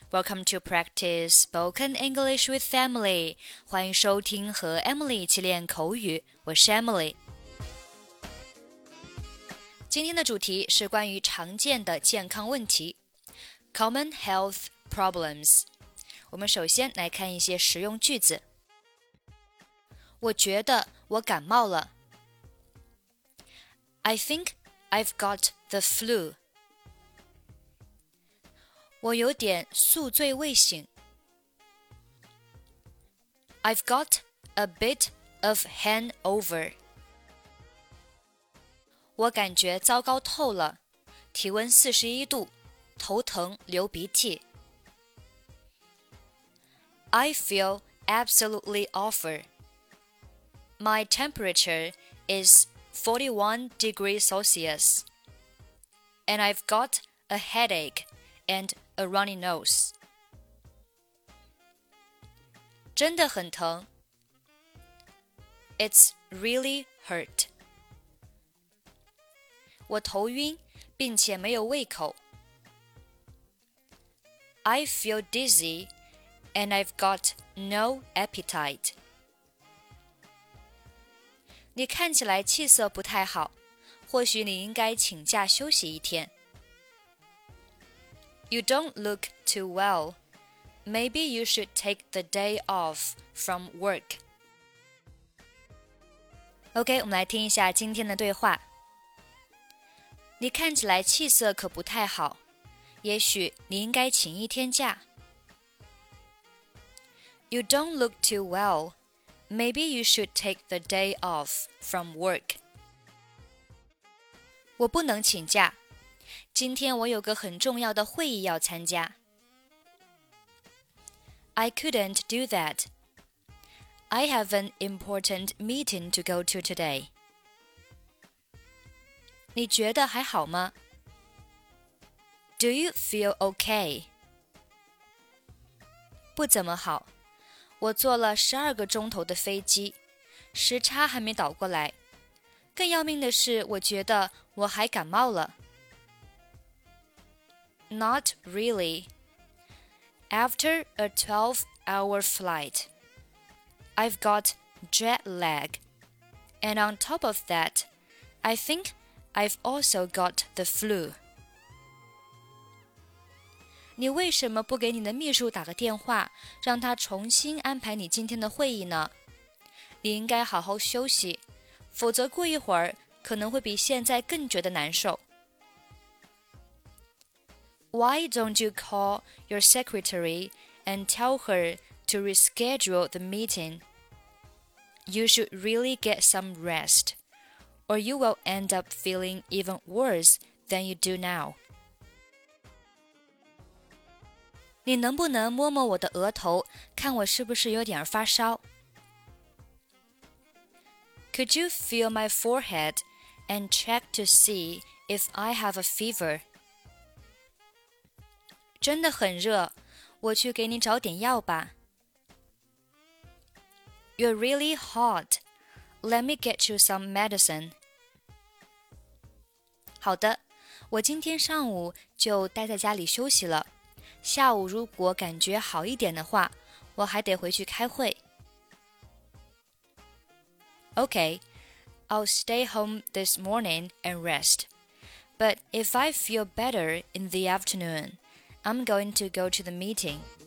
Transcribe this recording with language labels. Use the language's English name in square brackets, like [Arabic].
[English] Welcome to Practice Spoken English with Emily. [Chinese] 欢迎收听和 Emily 一起练口语。我是 Emily。今天的主题是关于常见的健康问题 [English] Common health problems. [Chinese] 我们首先来看一些实用句子。我觉得我感冒了。 [English] I think I've got the flu. [Chinese] 我有点宿醉未醒。 [English] I've got a bit of hangover. [Chinese] 我感觉糟糕透了，体温41度，头疼，流鼻涕。 [English] I feel absolutely awful. My temperature is 41 degrees Celsius. And I've got a headache and a runny nose. [Chinese] 真的很疼。 [English] It's really hurt. [Chinese] 我头晕并且没有胃口。 [English] I feel dizzy and I've got no appetite. [Chinese] 你看起来气色不太好，或许你应该请假休息一天。 [English] You don't look too well. Maybe you should take the day off from work. [Chinese] OK, 我们来听一下今天的对话。你看起来气色可不太好，也许你应该请一天假。 [English] You don't look too well. Maybe you should take the day off from work. [Chinese] 我不能请假。今天我有个很重要的会议要参加。 [English] I couldn't do that. I have an important meeting to go to today. [Chinese] 你觉得还好吗? [English] Do you feel okay? [Chinese] 不怎么好。我坐了12个钟头的飞机，时差还没倒过来。更要命的是，我觉得我还感冒了。 [English] Not really. After a 12-hour flight, I've got jet lag. And on top of that, I think I've also got the flu. [Chinese] 你为什么不给你的秘书打个电话，让他重新安排你今天的会议呢？你应该好好休息，否则过一会儿可能会比现在更觉得难受。 [English] Why don't you call your secretary and tell her to reschedule the meeting? You should really get some rest, or you will end up feeling even worse than you do now. [Chinese] 你能不能摸摸我的额头，看我是不是有点发烧？ [English] Could you feel my forehead and check to see if I have a fever? [Chinese] 真的很热，我去给你找点药吧。 [English] You're really hot. Let me get you some medicine. [Chinese] 好的，我今天上午就待在家里休息了。下午如果感觉好一点的话，我还得回去开会。 [English] Okay, I'll stay home this morning and rest. But if I feel better in the afternoon... I'm going to go to the meeting.